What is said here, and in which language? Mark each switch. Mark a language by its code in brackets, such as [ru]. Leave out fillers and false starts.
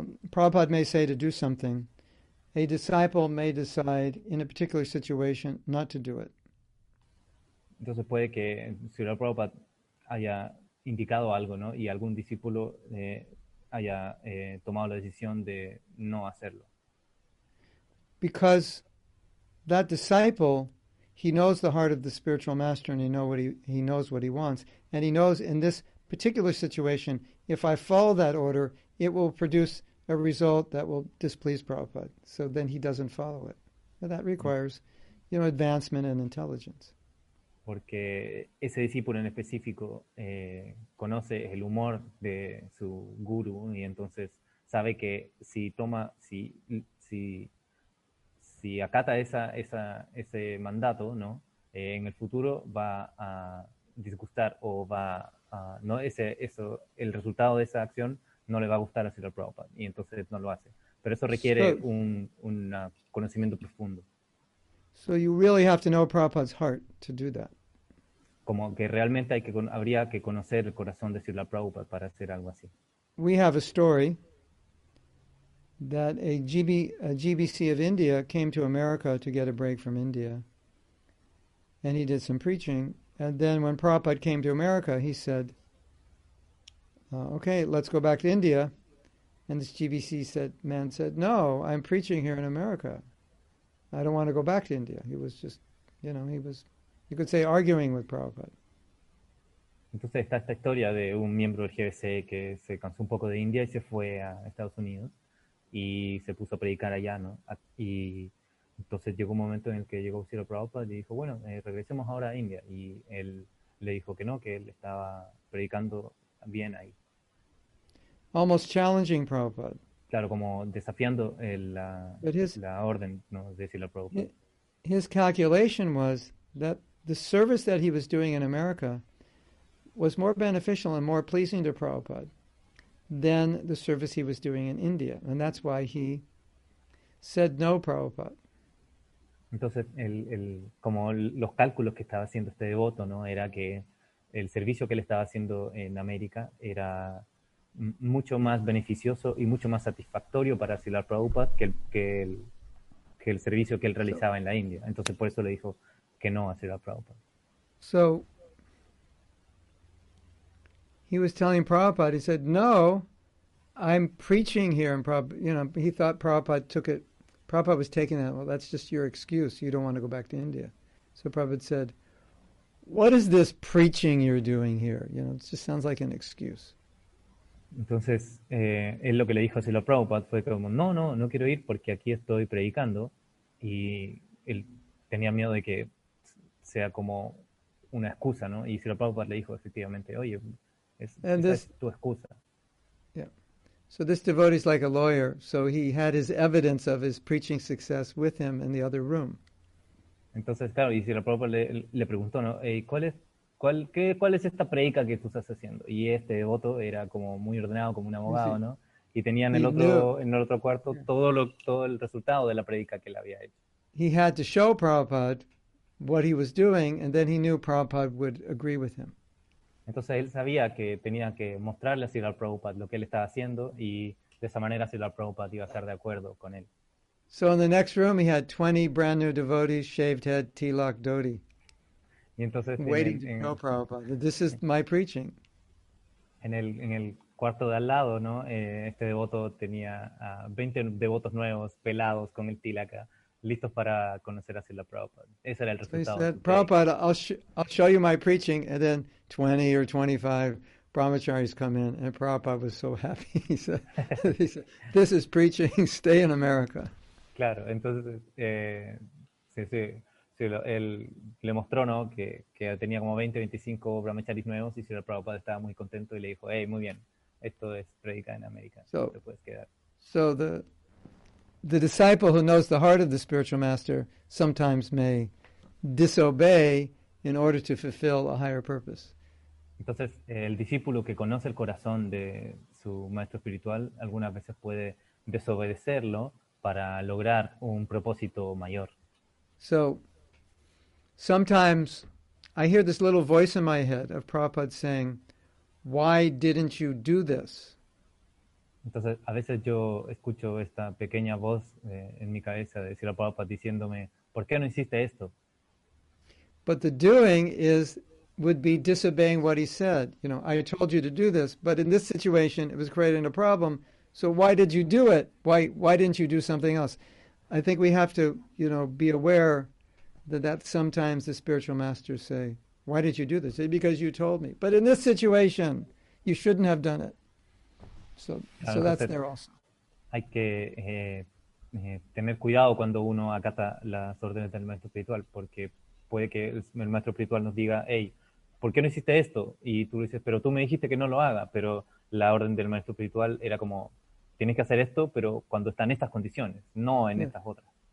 [en] Prabhupada may say to do something. A disciple may decide in a particular situation not to do it. [es] Entonces puede que Srila Prabhupada haya indicado algo, ¿no? Y algún discípulo haya tomado la decisión de no hacerlo. [en] Because that disciple, he knows the heart of the spiritual master and he knows what he wants. And he knows in this particular situation, if I follow that order, it will produce a result that will displease Prabhupada. So then he doesn't follow it. And that requires, you know, advancement and intelligence. [es] Porque ese discípulo en específico conoce el humor de su guru y entonces sabe que si toma, si acata ese mandato, ¿no? En el futuro va a disgustar o va a, no ese eso el resultado de esa acción no le va a gustar a Srila Prabhupada y entonces no lo hace. Pero eso requiere un conocimiento profundo. [en] So you really have to know Prabhupada's heart to do that. [es] Como que realmente habría que conocer el corazón de Srila Prabhupada para hacer algo así. [en] We have a story that a GBC of India came to America to get a break from India, and he did some preaching. And then when Prabhupada came to America, he said, okay, let's go back to India. And this GBC man said, no, I'm preaching here in America. I don't want to go back to India. He was just, you know, he was, you could say, arguing with Prabhupada. [es] Entonces está esta historia de un miembro del GBC que se cansó un poco de India y se fue a Estados Unidos y se puso a predicar allá, ¿no? Y entonces llegó un momento en el que llegó Srila Prabhupada y dijo, bueno, regresemos ahora a India. Y él le dijo que no, que él estaba predicando bien ahí. [en] Almost challenging Prabhupada. [es] Claro, como desafiando la orden, ¿no? De Srila Prabhupada. [en] His calculation was that the service that he was doing in America was more beneficial and more pleasing to Prabhupada than the service he was doing in India. And that's why he said no, Prabhupada. [es] Entonces, como los cálculos que estaba haciendo este devoto, ¿no? Era que el servicio que él estaba haciendo en América era mucho más beneficioso y mucho más satisfactorio para Srila Prabhupada que el servicio que él realizaba en la India. Entonces, por eso le dijo que no a Srila Prabhupada. [en] So, he was telling Prabhupada, he said, no, I'm preaching here. And you know, he thought Prabhupada was taking that, well, that's just your excuse. You don't want to go back to India. So Prabhupada said, what is this preaching you're doing here? You know, it just sounds like an excuse. [es] Entonces, él lo que le dijo a Srila Prabhupada fue como, no quiero ir porque aquí estoy predicando. Y él tenía miedo de que sea como una excusa, ¿no? Y Srila Prabhupada le dijo efectivamente, oye, esa es tu excusa. [en] Yeah. So this devotee is like a lawyer, so he had his evidence of his preaching success with him in the other room. [es] Entonces, claro, y si la Prabhupada le preguntó, ¿no? Hey, ¿cuál es esta predica que tú estás haciendo? Y este devoto era como muy ordenado, como un abogado, ¿no? Y tenía en el otro cuarto todo el resultado de la predica que él había hecho. [en] He had to show Prabhupada what he was doing, and then he knew Prabhupada would agree with him. [es] Entonces él sabía que tenía que mostrarle a Srila Prabhupada lo que él estaba haciendo, y de esa manera Srila Prabhupada iba a estar de acuerdo con él. [en] So in the next room he had 20 brand new devotees, shaved head, tilak, dhoti. [es] Y entonces, [en] waiting to know Prabhupada. This is my preaching. [es] En el cuarto de al lado, ¿no? Este devoto tenía 20 devotos nuevos, pelados, con el tilaka, listos para conocer a Srila Prabhupada. Ese era el resultado. [en] So he said, Prabhupada, I'll show you my preaching, and then 20 or 25 brahmacharis come in, and Prabhupada was so happy. He said, this is preaching, stay in America. [es] Claro, entonces, él le mostró, ¿no?, que tenía como 20, 25 brahmacharis nuevos, y Srila Prabhupada estaba muy contento y le dijo, hey, muy bien, esto es predica en América, so, te puedes quedar. [en] So the disciple who knows the heart of the spiritual master sometimes may disobey in order to fulfill a higher purpose. [es] Entonces, el discípulo que conoce el corazón de su maestro espiritual algunas veces puede desobedecerlo para lograr un propósito mayor. [en] So, sometimes I hear this little voice in my head of Prabhupada saying, why didn't you do this? [es] Entonces, a veces yo escucho esta pequeña voz en mi cabeza de Srila Prabhupada diciéndome, ¿por qué no hiciste esto? [en] But the doing would be disobeying what he said. You know, I told you to do this, but in this situation, it was creating a problem. So why did you do it? Why didn't you do something else? I think we have to, you know, be aware that sometimes the spiritual masters say, why did you do this? It's because you told me. But in this situation, you shouldn't have done it. So that's there also. [es] Hay que tener cuidado cuando uno acata las órdenes del maestro espiritual, porque puede que el maestro espiritual nos diga, hey, ¿por qué no hiciste esto? Y tú dices, pero tú me dijiste que no lo haga. Pero la orden del maestro espiritual era como, tienes que hacer esto, pero cuando están estas condiciones, no en estas otras.